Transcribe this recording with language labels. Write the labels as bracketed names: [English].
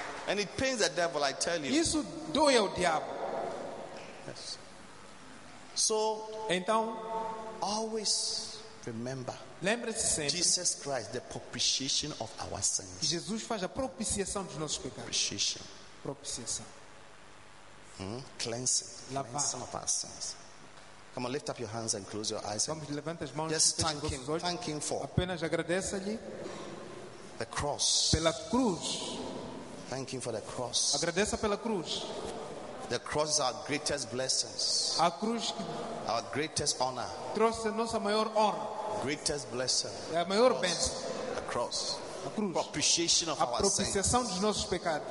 [English] And it pains the devil, I tell you. [Portuguese] Isso dói ao diabo. [English] Yes. So, [Portuguese] então, [English] always remember. [Portuguese] Lembre-se sempre. [English] Jesus Christ, the propitiation of our sins. [Portuguese] Jesus faz a propiciação dos nossos pecados. [English] Propitiation. [Portuguese] Propiciação. [English] Cleansing. [Portuguese] Lavar. [English] Cleansing of our sins. Come on, lift up your hands and close your eyes. [Portuguese] Vamos levantar as mãos. [English] Just thank him for. [Portuguese] Apenas agradeça-lhe. [English] The cross. [Portuguese] Pela cruz. [English] Thank him for the cross. [Portuguese] Agradeça pela cruz. [English] The cross is our greatest blessings. [Portuguese] A cruz. [English] Our greatest honor. [Portuguese] Trouxe a nossa maior honra. [English] Greatest blessing. [Portuguese] É a maior bênção. [English] The cross. [Portuguese] A cruz. [English] Propitiation of [Portuguese] a propiciação dos nossos pecados.